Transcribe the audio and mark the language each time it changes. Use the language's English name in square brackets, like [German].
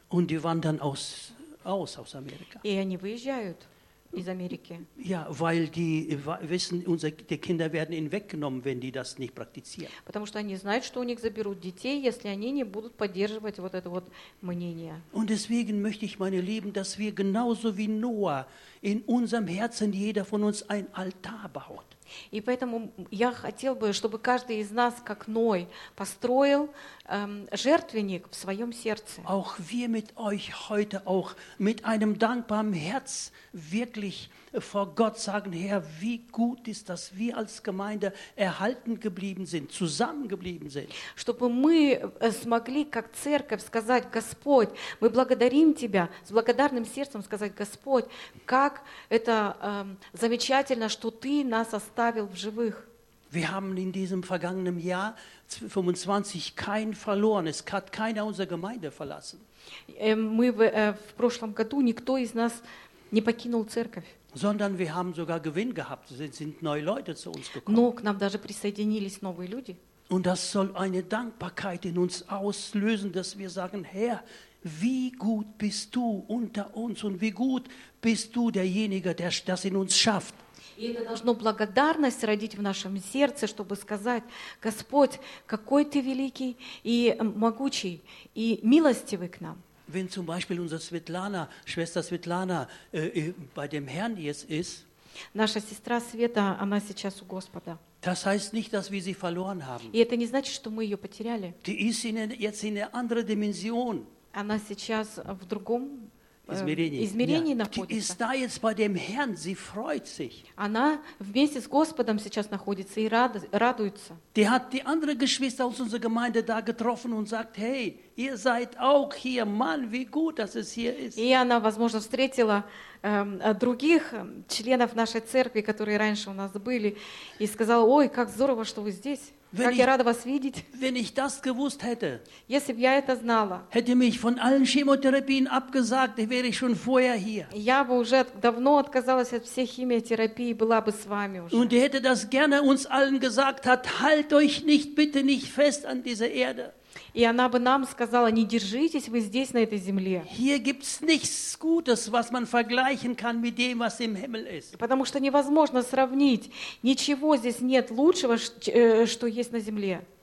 [German] Und die wandern aus Amerika. [Russian] И они выезжают из Америки. [German] Ja, weil die wissen, die Kinder werden ihnen weggenommen, wenn die das nicht praktizieren. [Russian] Потому что они знают, что у них заберут детей, если они не будут поддерживать вот это вот мнение. [German] Und deswegen möchte ich, meine Lieben, dass wir genauso wie Noah in unserem Herzen jeder von uns ein Altar baut. [Russian] И поэтому я хотел бы, чтобы каждый из нас, как Ной, построил жертвенник в своем сердце. [German] Auch wir mit euch heute auch mit einem dankbaren Herz wirklich vor Gott sagen, Herr, wie gut ist, dass wir als Gemeinde erhalten geblieben sind, zusammengeblieben sind. [Russian] Чтобы мы смогли, как церковь, сказать, Господь, мы благодарим Тебя, с благодарным сердцем сказать, Господь, как это замечательно, что Ты нас оставил в живых. [German] Wir haben in diesem vergangenen Jahr 25 keinen verloren. Es hat keiner unserer Gemeinde verlassen. [Russian] В прошлом году никто из нас не покинул церковь. [German] Sondern wir haben sogar Gewinn gehabt. Es sind neue Leute zu uns gekommen. [Russian] Но к нам даже присоединились новые люди. [German] Und das soll eine Dankbarkeit in uns auslösen, dass wir sagen, Herr, wie gut bist du unter uns und wie gut bist du derjenige, der das in uns schafft. [Russian] И это должно благодарность родить в нашем сердце, чтобы сказать: «Господь, какой Ты великий и могучий, и милостивый к нам». [German] Wenn zum Beispiel unsere Svetlana, Schwester Svetlana, bei dem Herrn jetzt ist, [Russian] наша сестра Света, она сейчас у Господа. [German] Das heißt nicht, dass wir sie verloren haben. [Russian] И это не значит, что мы ее потеряли. [German] Die ist in eine, jetzt in eine andere Dimension. [Russian] Она сейчас в другом измерении находится. [German] Die ist da jetzt bei dem Herrn, sie freut sich. [Russian] Она вместе с Господом сейчас находится и радуется. [German] Die hat die andere Geschwister aus unserer Gemeinde da getroffen und sagt: Hey, ihr seid auch hier, Mann, wie gut, dass es hier ist. [Russian] И она, возможно, встретила других членов нашей церкви, которые раньше у нас были, и сказала: Ой, как здорово, что вы здесь. [German] Wenn [Russian] как я рада вас видеть. [German] Wenn ich das gewusst hätte, [Russian] если бы я это знала, [German] hätte mich von allen Chemotherapien abgesagt, wäre ich schon vorher hier. [Russian] Я бы уже давно отказалась от всей химиотерапии, была бы с вами уже. [German] Und hätte das gerne uns allen gesagt, hat, halt euch nicht, bitte nicht fest an dieser Erde. [Russian] И она бы нам сказала: не держитесь вы здесь, на этой земле. [German] Hier gibt's nichts Gutes, was man vergleichen kann mit dem, was im Himmel ist. [Russian] Потому что невозможно сравнить. Ничего здесь нет лучшего, что есть на земле.